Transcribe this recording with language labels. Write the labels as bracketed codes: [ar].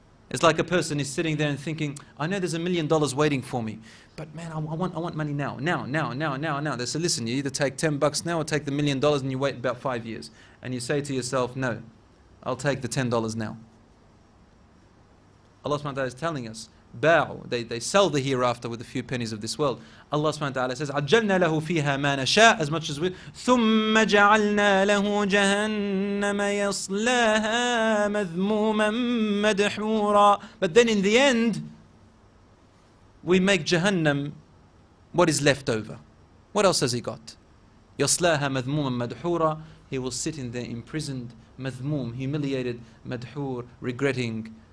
[en] It's like a person is sitting there and thinking, I know there's $1 million waiting for me, but man, I want money now, now, now, now, now, now. They say, listen, you either take 10 bucks now or take the $1 million and you wait about 5 years. And you say to yourself, no, I'll take the $10 now. Allah subhanahu wa ta'ala is telling us, ba'u, they sell the hereafter with a few pennies of this world. Allah subhanahu wa ta'ala says, [ar] عَجَّلْنَا لَهُ فِيهَا مَا نَشَاءَ, [en] as much as we, [ar] ثُمَّ جَعَلْنَا لَهُ جَهَنَّمَ يَصْلَاهَا مَذْمُومًا مَدْحُورًا. [en] But then in the end, we make Jahannam what is left over. What else has he got? [ar] يَصْلَاهَا مَذْمُومًا مَدْحُورًا. [en] He will sit in there imprisoned, مَذْمُوم, humiliated, مَدْحُور, regretting.